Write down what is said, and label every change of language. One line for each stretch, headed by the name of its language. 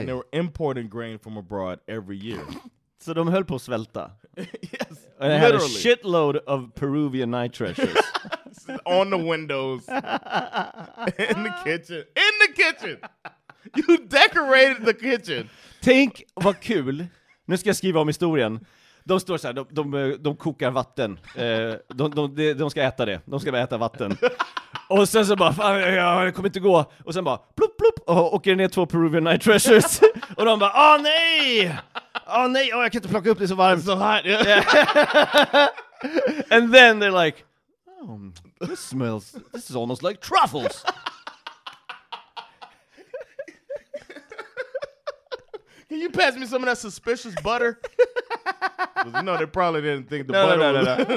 English: And they were importing grain from abroad every year.
Swedish: So de höll på att svälta.
English: Yes, and they had a shitload of Peruvian night treasures. On the windows. In the kitchen. In the kitchen! You decorated the kitchen.
Swedish: Tänk vad kul. Nu ska jag skriva om historien. De står så här, de kokar vatten. De ska äta det. De ska bara äta vatten. Och sen så bara, fan, det kommer inte gå. Och sen bara, plopp, plopp. Och åker ner två Peruvian night treasures. Och de bara, åh nej!
English: Oh no, oh, I can't plug up this wire. It's so hot. Yeah. And then they're like, oh, this smells, this is almost like truffles. Can you pass me some of that suspicious butter? No, they probably didn't think the butter was... No.